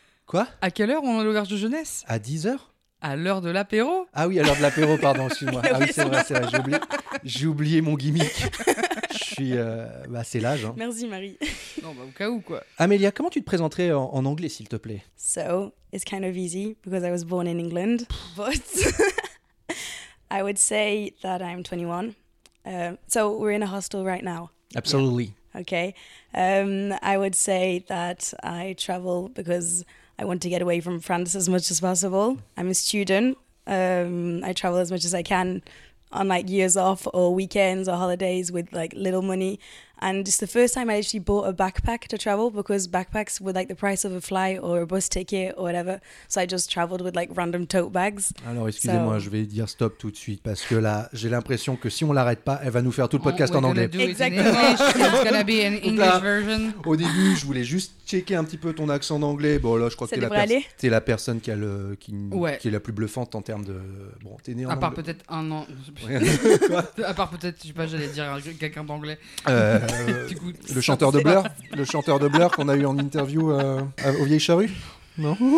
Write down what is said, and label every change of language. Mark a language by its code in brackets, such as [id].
[fr] Quoi? À quelle heure on est à l'auberge de jeunesse? À 10h. À l'heure de l'apéro. Ah oui, à l'heure de l'apéro, pardon, excuse-moi. Ah oui, c'est vrai, j'ai oublié mon gimmick. Je suis... c'est l'âge. Hein. Merci, Marie. Non, bah au cas où, quoi. Amélia, comment tu te présenterais en anglais, s'il te plaît? [en] So, it's kind of easy, because I was born in England. But I would say that I'm 21. So we're in a hostel right now. Absolutely. Yeah. Okay. I would say that I travel because I want to get away from France as much as possible. I'm a student. I travel as much as I can on like years off or weekends or holidays with like little money. And it's the first time I actually bought a backpack to travel because backpacks were like the price of a flight or a bus ticket or whatever. So I just traveled with like random tote bags. [fr] Alors excusez-moi, je vais dire stop tout de suite parce que là, j'ai l'impression que si on l'arrête pas, elle va nous faire tout le podcast en anglais. Exactement. [en] It's going to be an English version. [fr] Au début, je voulais juste checker un petit peu ton accent d'anglais. Bon, là, je crois que t'es la personne qui a le, qui est la plus bluffante en termes de... Bon, t'es né en anglais. À part peut-être un an... À part peut-être, je sais pas, j'allais dire quelqu'un d'anglais. Le chanteur de Blur, le chanteur de Blur qu'on a eu en interview aux Vieilles Charrues. Non.